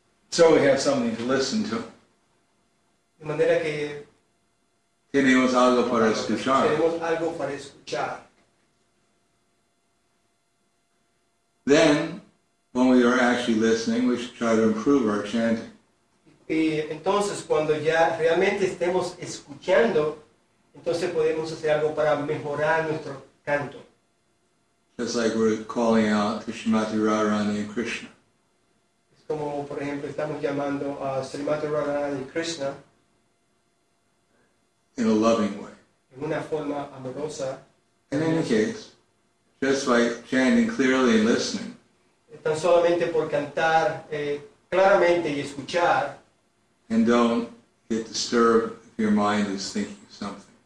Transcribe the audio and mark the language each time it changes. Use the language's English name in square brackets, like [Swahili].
[English] So we have something to listen to. [Spanish] De manera que tenemos algo para escuchar. Tenemos algo para escuchar. [English] Then, when we are actually listening, we should try to improve our chanting. [Spanish] Y entonces, cuando ya realmente estemos escuchando, entonces podemos hacer algo para mejorar nuestro canto. [English] Just like we're calling out to Srimati Radharani and Krishna. [Spanish] Como por ejemplo estamos llamando a Srimati Radharani Krishna [English] in a loving way. [Spanish] En una forma amorosa. [English] In any case, just by chanting clearly and listening. [Spanish] Tan solamente por cantar claramente y escuchar. [English] And don't get disturbed if your mind is thinking something.